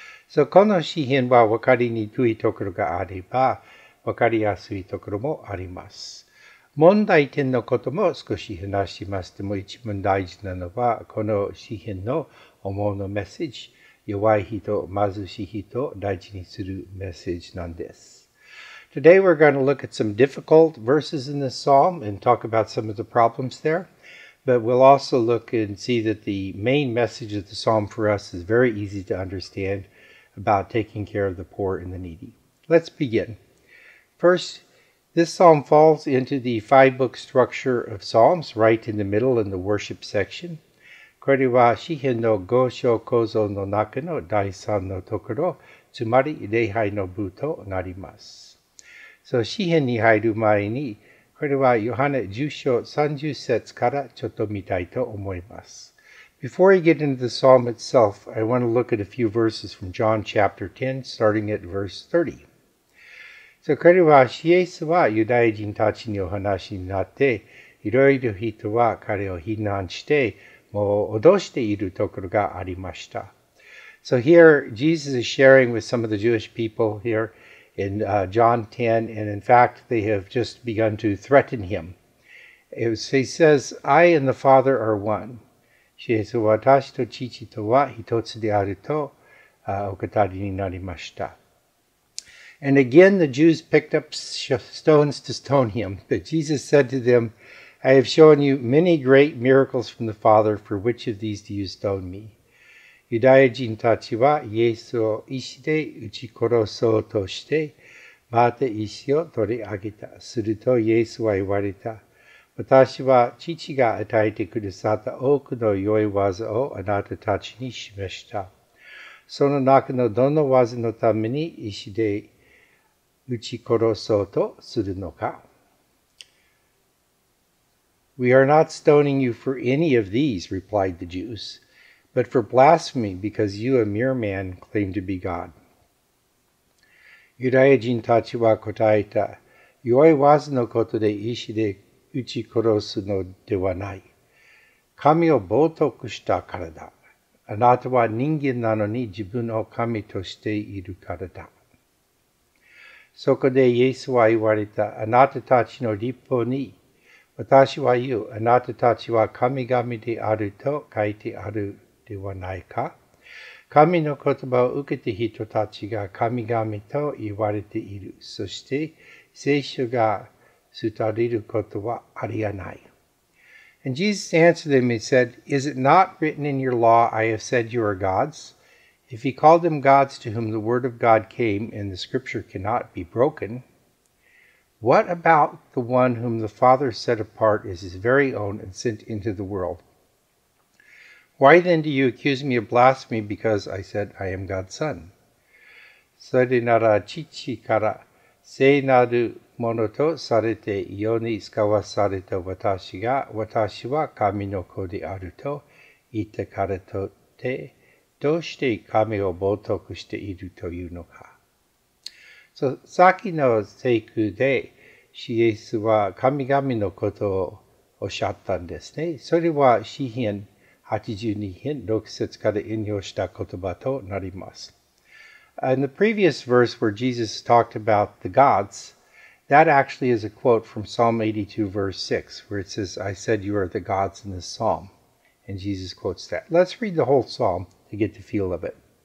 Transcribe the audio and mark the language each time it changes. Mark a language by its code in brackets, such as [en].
[ja] So, この詩編は分かりにくいところがあれば、分かりやすいところもあります。問題点のことも少し話します。でも一番大事なのは、この詩編の思うのメッセージ、弱い人、貧しい人を大事にするメッセージなんです。 [en] Today we're going to look at some difficult verses in this psalm and talk about some of the problems there. But we'll also look and see that the main message of the psalm for us is very easy to understand. About taking care of the poor and the needy. Let's begin. First, this psalm falls into the five-book structure of psalms, right in the middle in the worship section. [ja] これは詩編の五章構造の中の第三のところ、つまり礼拝の部となります。 So, 詩編に入る前に、これはヨハネ十章三十節からちょっと見たいと思います。 [en] Before I get into the psalm itself, I want to look at a few verses from John chapter 10, starting at verse 30. [ja] So, これは、イエスはユダヤ人たちにお話になって、いろいろ人は彼を非難して、もう脅しているところがありました。 [en] So here, Jesus is sharing with some of the Jewish people here in John 10, and in fact, they have just begun to threaten him. He says, I and the Father are one. [ja] シエスは私と父とは一つであるとお語りになりました。 [en] And again the Jews picked up stones to stone him. But Jesus said to them, I have shown you many great miracles from the Father, for which of these do you stone me? [ja] ユダヤ人たちはイエスを石で打ち殺そうとして、また石を取り上げた。するとイエスは言われた。私は父が与えてくださった多くの良い技をあなたたちに示した。その中のどの技のために石で打ち殺そうとするのか。 [en] We are not stoning you for any of these, replied the Jews, but for blasphemy, because you, a mere man, claim to be God. [ja] ユダヤ人たちは答えた。良い技のことで石で打ち殺すのではない。神を冒涜したからだ。あなたは人間なのに自分を神としているからだ。そこでイエスは言われた。あなたたちの律法に、私は言う。あなたたちは神々であると書いてあるではないか。神の言葉を受けて人たちが神々と言われている。そして聖書が [en] And Jesus answered them and said, Is it not written in your law, I have said you are gods? If he called them gods to whom the word of God came, and the scripture cannot be broken, what about the one whom the Father set apart as his very own and sent into the world? Why then do you accuse me of blasphemy because I said I am God's son? [ja] それなら父から聖なるものとされて世に使わされた私が、私は神の子であると言ってからとって、どうして神を冒涜しているというのか。 So, さっきの聖句で、シエスは神々のことをおっしゃったんですね。それは詩編82編6節から引用した言葉となります。 [en] In the previous verse where Jesus talked about the gods, that actually is a quote from Psalm 82, verse 6, where it says, I said you are the gods in this psalm. And Jesus quotes that. Let's read the whole psalm to get the feel of it.